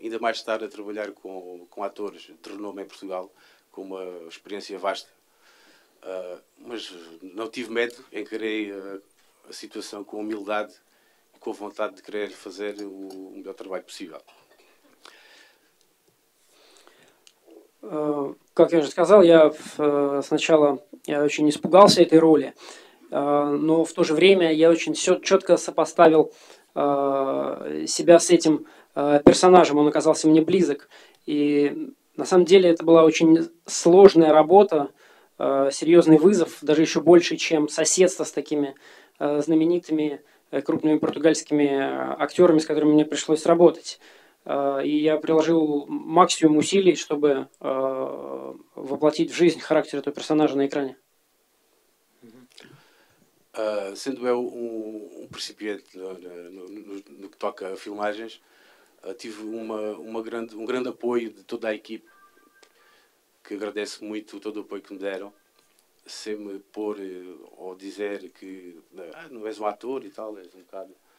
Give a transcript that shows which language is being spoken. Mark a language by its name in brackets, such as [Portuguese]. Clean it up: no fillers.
[Portuguese] Ainda mais estar a trabalhar com atores de renome em Portugal, com uma experiência vasta. Mas não tive medo. Encarei a situação com humildade. Com vontade de querer fazer o melhor trabalho possível. [Russian] Как я уже сказал, я сначала очень испугался этой роли, но в то же время я очень четко сопоставил себя с этим персонажем, он оказался мне близок. И на самом деле это была очень сложная работа, серьезный вызов, даже еще больше, чем соседство с такими знаменитыми крупными португальскими актерами, с которыми мне пришлось работать. И я приложил максимум усилий, чтобы воплотить в жизнь характер этого персонажа на экране. [Portuguese] Sendo eu um principiante no que toca a filmagens, tive um grande apoio de toda a equipe, que agradeço muito todo o apoio que me deram. Sem me pôr ou dizer que não és um ator e tal, és um bocado.